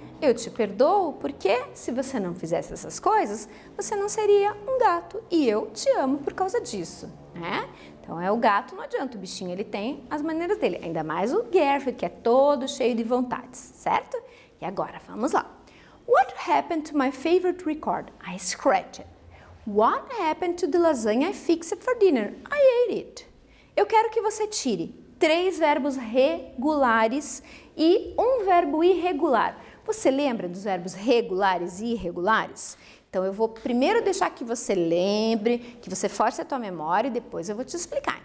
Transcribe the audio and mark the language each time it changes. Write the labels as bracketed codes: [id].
[pt] Eu te perdoo porque se você não fizesse essas coisas, você não seria um gato e eu te amo por causa disso, né? Então é o gato, não adianta, o bichinho ele tem as maneiras dele, ainda mais o Garfield que é todo cheio de vontades, certo? E agora vamos lá. [en] What happened to my favorite record? I scratched it. What happened to the lasagna I fixed for dinner? I ate it. [pt] Eu quero que você tire três verbos regulares e um verbo irregular. Você lembra dos verbos regulares e irregulares? Então eu vou primeiro deixar que você lembre, que você force a tua memória e depois eu vou te explicar.